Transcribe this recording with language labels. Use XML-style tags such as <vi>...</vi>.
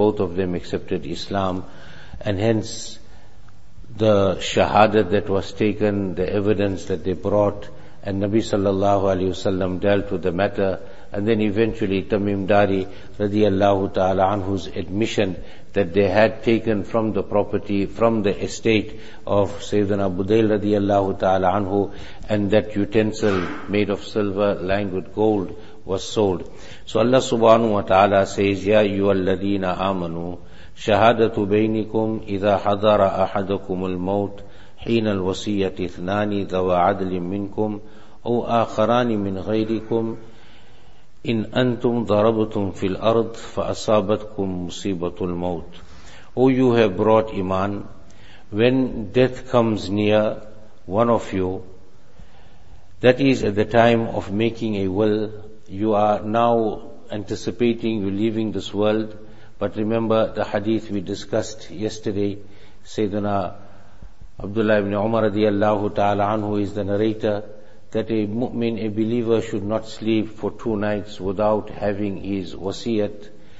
<en>Both of them accepted Islam, and hence the shahadat that was taken, the evidence that they brought, and Nabi sallallahu alayhi wasallam dealt with the matter, and then eventually Tamim Dari radiallahu ta'ala anhu's admission that they had taken from the property, from the estate of Sayyidina Abu Dayl radiallahu ta'ala anhu, and that utensil made of silver lined with gold was sold. So Allah subhanahu wa ta'ala says,</en> <ar>Ya ayyuhal ladhina amanu, شهادة بينكم إذا حضر أحدكم الموت حين الوصية اثنان ذو عدل منكم أو آخران من غيركم إن أنتم ضربتم في الأرض فأصابتكم مصيبة الموت.</ar> <en>O you have brought iman, when death comes near one of you, that is at the time of making a will, you are now anticipating you leaving this world. But remember the hadith we discussed yesterday. Sayyidina Abdullah ibn Umar radiallahu ta'ala anhu is the narrator that a mu'min, a believer, should not sleep for two nights without having his wasiyat.</en>